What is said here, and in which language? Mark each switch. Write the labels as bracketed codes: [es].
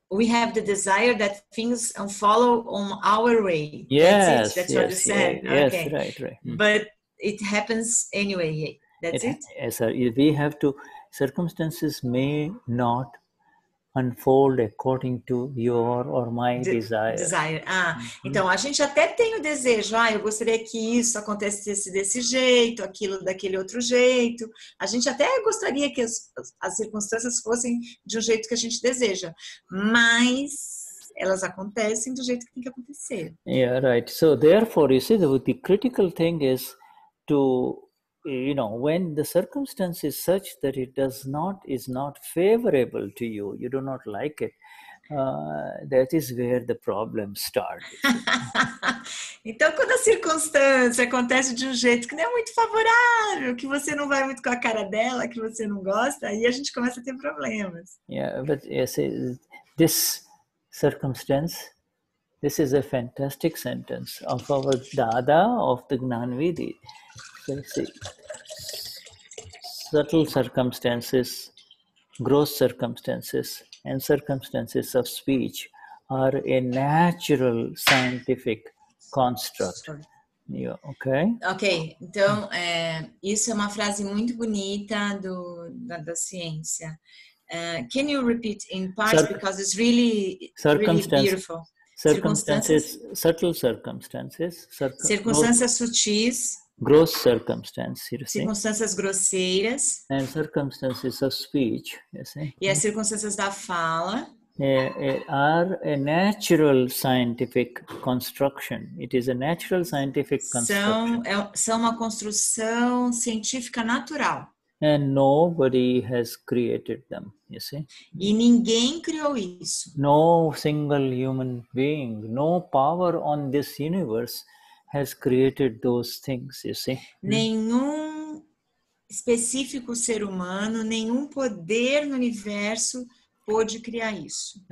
[en] We have the desire that things unfollow on our way. Yes, that's it. That's yes, what you said. Yes, okay. Right. But it happens anyway. That's it. Yes, we have to. Circumstances may not unfold according to your or my desire. [pt] Ah, então a gente até tem o desejo, ah, eu gostaria que isso acontecesse desse jeito, aquilo daquele outro jeito. A gente até gostaria que as circunstâncias fossem de um jeito que a gente deseja, mas elas acontecem do jeito que tem que acontecer. [en] Yeah, right. So therefore, you see, the critical thing is to, you know, when the circumstance is such that it does not, is not favorable to you, you do not like it, that is where the problems start. [pt] Então, quando a circunstância acontece de um jeito que não é muito favorável, que você não vai muito com a cara dela, que você não gosta, aí a gente começa a ter problemas. [en] Yeah, but yes, this circumstance, this is a fantastic sentence of our Dada of the Gnanvidhi. Let's see. Subtle circumstances, gross circumstances, and circumstances of speech are a natural scientific construct. Yeah, okay? [pt] Okay, então, isso é uma frase muito bonita da ciência. [en] Can you repeat in part because it's really, really beautiful. [pt] Circumstâncias sutis. [en] Gross circumstances, you see. [pt] Circunstâncias grosseiras. [en] And circumstances of speech, you see. [pt] E as circunstâncias da fala. [en] Are a natural scientific construction. It is a natural scientific construction. [pt] São uma construção científica natural. [en] And nobody has created them, you see. [pt] E ninguém criou isso. [en] No single human being, no power on this universe has created those things, you see. [pt] Nenhum específico ser humano, nenhum poder no universo pôde criar isso.